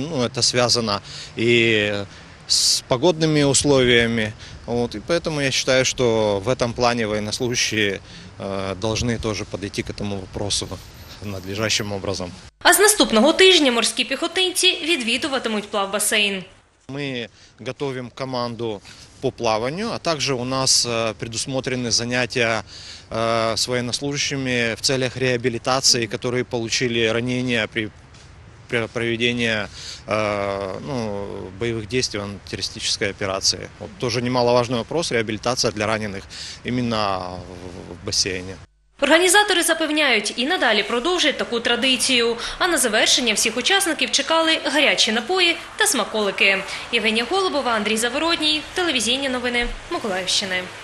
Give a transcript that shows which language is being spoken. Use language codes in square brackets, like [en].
[uk] Ну, це зв'язано і з погодними умовами. І тому я вважаю, що в цьому плані військовослужбовці повинні теж підійти до цього питання [ru] надлежащим образом. [uk] А з наступного тижня морські піхотинці відвідуватимуть плавбасейн. Ми готуємо команду [ru] по плаванию, а также у нас предусмотрены занятия с военнослужащими в целях реабилитации, которые получили ранения при проведении боевых действий, антитеррористической операции. Вот тоже немаловажный вопрос – реабилитация для раненых именно в бассейне. [uk] Організатори запевняють, і надалі продовжують таку традицію. А на завершення всіх учасників чекали гарячі напої та смаколики. Євгенія Голубова, Андрій Заворотній, телевізійні новини Миколаївщини.